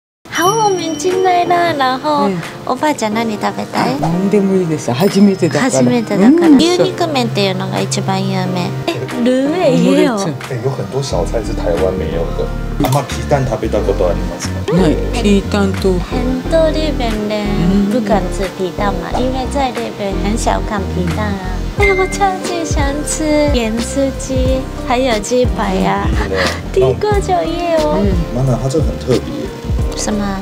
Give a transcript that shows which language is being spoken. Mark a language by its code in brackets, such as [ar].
[zh] 好，我们进来了。然后， [ja] おばあちゃん何食べたい？何でもいいです。初めてだから。初めてだから。牛肉麺っていうのが一番有名。 [zh] 卤味也有。有很多小菜是台湾没有的。 [ja] 阿妈皮蛋食べたことありますか？ない。皮蛋豆腐。 [zh] 很多日本人不敢吃皮蛋嘛，因为在日本很少看皮蛋啊。哎呀，我超级想吃盐酥鸡，还有鸡排呀、啊。第一个就也有。妈妈，它这很特别。什么？